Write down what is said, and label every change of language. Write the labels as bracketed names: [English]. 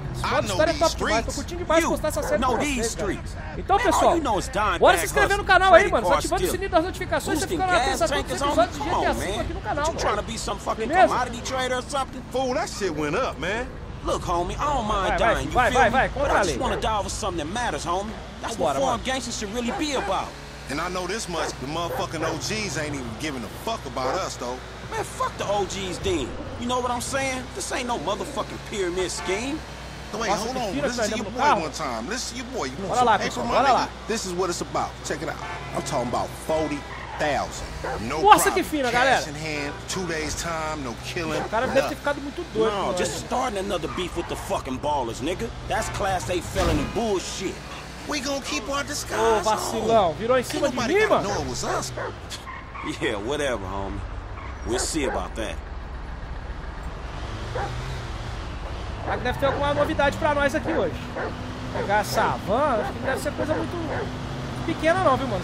[Portuguese] Esse modo história é top demais. Tô curtindo demais postar essa série pra vocês. Então, pessoal, bora se inscrever no canal aí, mano. Ativando o sininho das notificações, você fica na atenção a todos os episódios de GTA 5 aqui no canal, mano. [English] Fool, that shit went up, man. Look, homie, I don't mind dying. [Portuguese] Vai, vai, vai, contra a lei. [English] I just wanna die with something that matters, homie. That's what foreign gangsters should really be about. And I know this much, the motherfucking OGs ain't even giving a fuck about us, though. Man, fuck the OGs, Dean. You know what I'm saying? This ain't no motherfucking pyramid scheme. Wait, hold on. Listen to your boy one time. Listen to your boy. You want some paper money? This is what it's about. Check it out. I'm talking about 40,000. No problem. Cash in hand, 2 days time, no killing. [Portuguese] O cara deve ter ficado muito doido. [English] No, just starting another beef with the fucking ballers, nigga. That's class A felony bullshit. We gonna keep our disguise. [Portuguese] Ô, vacilão, virou em cima de mim, mano. [English] Yeah, whatever, homie. We'll see about that. [Portuguese] Acho que deve ter alguma novidade pra nós aqui hoje. Pegar essa van, acho que não deve ser coisa muito pequena não, viu, mano?